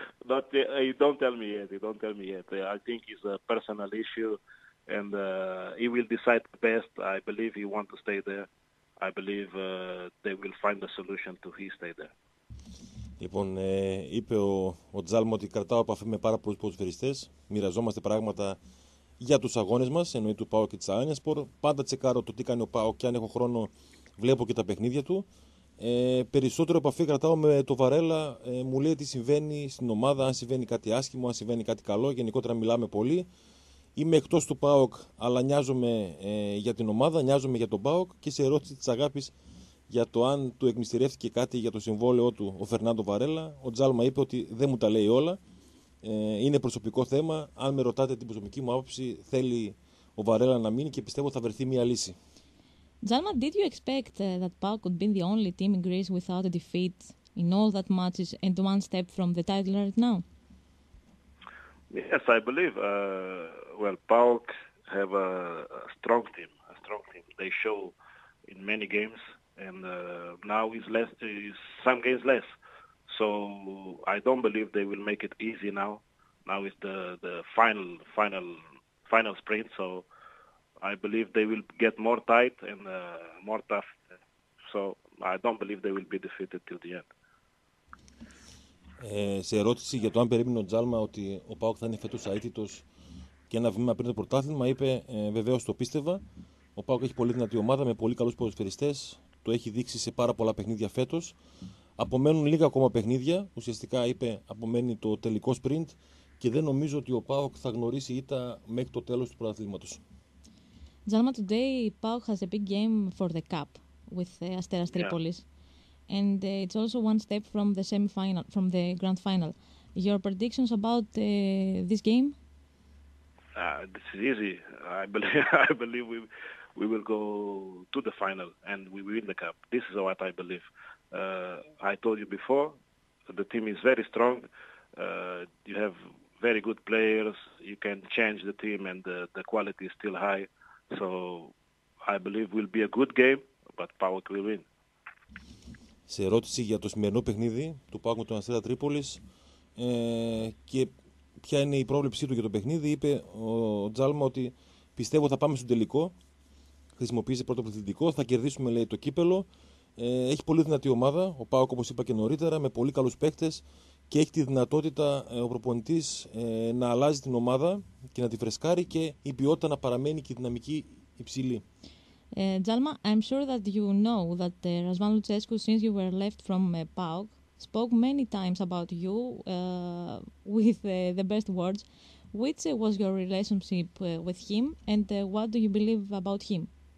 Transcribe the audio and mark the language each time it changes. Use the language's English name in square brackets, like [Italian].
[English] But he don't tell me yet. I think it's a personal issue, and he will decide the best. I believe he wants to stay there. I believe they will find a solution to he stay there. [Greek] Λοιπόν, είπε ο Τζάλμα ότι κρατάω επαφή με πάρα πολλούς ποδοσφαιριστές. Μοιραζόμαστε πράγματα για τους αγώνες μας, εννοεί του ΠΑΟΚ και της ΑΕΝΕΣΠΟΡ. Πάντα τσεκάρω το τι κάνει ο ΠΑΟΚ και αν έχω χρόνο βλέπω και τα παιχνίδια του. Περισσότερο επαφή κρατάω με το Βαρέλα. Μου λέει τι συμβαίνει στην ομάδα, αν συμβαίνει κάτι άσχημο, αν συμβαίνει κάτι καλό. Γενικότερα μιλάμε πολύ. Είμαι εκτός του ΠΑΟΚ, αλλά νοιάζομαι για την ομάδα, νοιάζομαι για τον ΠΑΟΚ, και σε ερώτηση της αγάπης για το αν του εκμυστηρεύτηκε κάτι για το συμβόλαιό του ο Φερνάντο Βαρέλα, ο Τζάλμα είπε ότι δεν μου τα λέει όλα, είναι προσωπικό θέμα. Αν με ρωτάτε την προσωπική μου άποψη, θέλει ο Βαρέλα να μείνει και πιστεύω θα βρεθεί μια λύση. [English] Τζάλμα, did you expect that PAOK could be the only team in Greece without a defeat in all that matches and one step from the title right now? Yes, I believe. Well, PAOK have a strong team. They show in many games. And now is some games less, so I don't believe they will make it easy now. Now is the final sprint, so I believe they will get more tight and more tough. So I don't believe they will be defeated till the end. [Greek] Σε ερώτηση για το αν περίμενε ο Τζάλμα ότι ο ΠΑΟΚ θα είναι φέτος αίτητος και ένα βήμα πριν το πρωτάθλημα, είπε βεβαίως το πίστευα. Ο ΠΑΟΚ έχει πολύ δυνατή ομάδα με πολύ καλούς ποδοσφαιριστές. το έχει δείξει σε πάρα πολλά παιχνίδια φέτος. Απομένουν λίγα ακόμα παιχνίδια. Ουσιαστικά είπε απομένει το τελικό sprint και δεν νομίζω ότι ο ΠΑΟΚ θα γνωρίσει ήττα μέχρι το τέλος του πρωταθλήματος. [English] Gentlemen, today ΠΑΟΚ has a big game for the cup with Asteras Tripolis. Yeah. And it's also one step from the semi-final, from the grand final. Your predictions about this game? This is easy. I believe we will go to the final and we win the cup. This is what I believe. I told you before, the team is very strong. You have very good players. You can change the team and the quality is still high. So I believe will be a good game, but ΠΑΟΚ will win. [Greek] Σε ερώτηση για το σημερινό παιχνίδι του ΠΑΟΚ με τον Αστέρα Τρίπολης και ποια είναι η πρόβλεψή του για το παιχνίδι, είπε ο Τζάλμα ότι πιστεύω θα πάμε στον τελικό. Χρησιμοποίησε πρώτο προθετικό, θα κερδίσουμε λέει το κύπελο. Έχει πολύ δυνατή ομάδα, ο ΠΑΟΚ όπως είπα και νωρίτερα, με πολύ καλούς παίκτες και έχει τη δυνατότητα ο προπονητής να αλλάζει την ομάδα και να τη φρεσκάρει και η ποιότητα να παραμένει και η δυναμική υψηλή. [English] Τζάλμα, I'm sure that you know that Ρασβάν Λουτσέσκου, since you were left from ΠΑΟΚ, spoke many times about you with the best words. Which was your relationship with him and what do you believe about him?